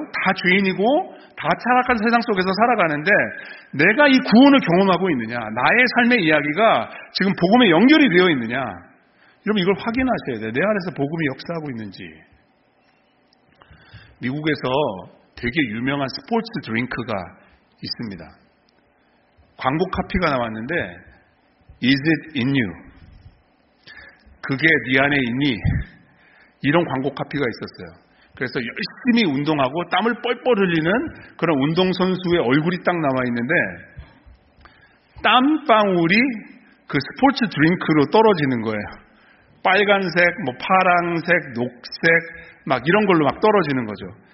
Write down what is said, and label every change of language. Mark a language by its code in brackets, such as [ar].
[ko] 다 죄인이고 다 타락한 세상 속에서 살아가는데 내가 이 구원을 경험하고 있느냐 나의 삶의 이야기가 지금 복음에 연결이 되어 있느냐 여러분 이걸 확인하셔야 돼요. 내 안에서 복음이 역사하고 있는지 미국에서 되게 유명한 스포츠 드링크가 있습니다. 광고 카피가 나왔는데 [en] Is it in you? [ko] 그게 네 안에 있니? 이런 광고 카피가 있었어요. 그래서 열심히 운동하고 땀을 뻘뻘 흘리는 그런 운동선수의 얼굴이 딱 나와있는데 땀방울이 그 스포츠 드링크로 떨어지는 거예요. 빨간색, 뭐 파랑색, 녹색 막 이런 걸로 막 떨어지는 거죠.